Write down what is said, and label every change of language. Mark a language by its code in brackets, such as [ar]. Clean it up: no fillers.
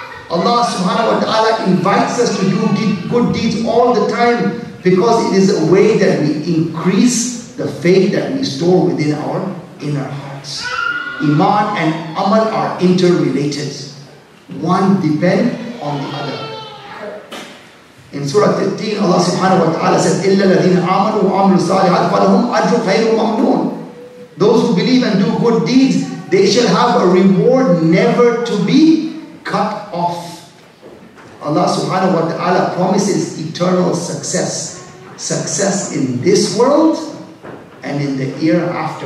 [en] Allah subhanahu wa ta'ala invites us to do good deeds all the time, because it is a way that we increase the faith that we store within our inner hearts. Iman and Amal are interrelated. One depends on the other. In Surah 13, Allah subhanahu wa ta'ala says, [ar] إِلَّا الَّذِينَ آمَنُوا وَعَمِلُوا الصَّالِحَاتِ فَلَهُمْ أَجْرٌ غَيْرُ مَمْنُونَ. [en] Those who believe and do good deeds, they shall have a reward never to be cut off. Allah subhanahu wa ta'ala promises eternal success. Success in this world and in the year after.